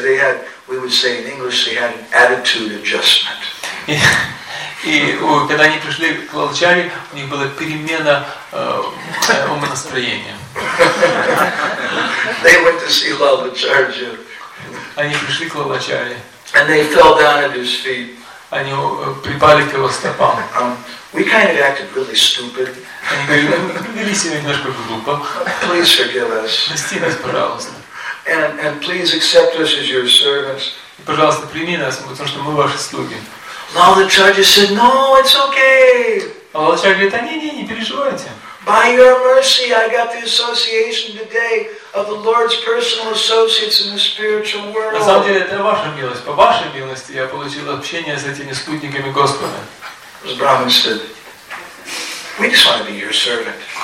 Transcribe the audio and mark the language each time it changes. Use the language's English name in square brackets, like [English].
[English] They had, we would say in English, they had an attitude adjustment. [Russian] И когда они пришли к Лалачарье, у них была перемена умонастроения. [English] They went to see Lalacharya. [Russian] Они пришли к Лалачарье. [English] And they fell down at his feet. [Russian] Они припали к его стопам. [English] We kind of acted really stupid. [Russian] Они вели себя немножко глупо. [English] Please forgive us. [Russian] Прости нас, пожалуйста. [English] And please accept us as your servants. [Russian] Пожалуйста, прими нас, потому что мы ваши слуги. [English] Lalacharya said, "No, it's okay." [Russian] Лалачарья говорит: не переживайте. [English] By your mercy, I got the association today of the Lord's personal associates in the spiritual world. [Russian] На самом деле, это ваша милость. По вашей милости я получил общение с этими спутниками Господа. [English] The Brahmin said, "We just want to be your servant."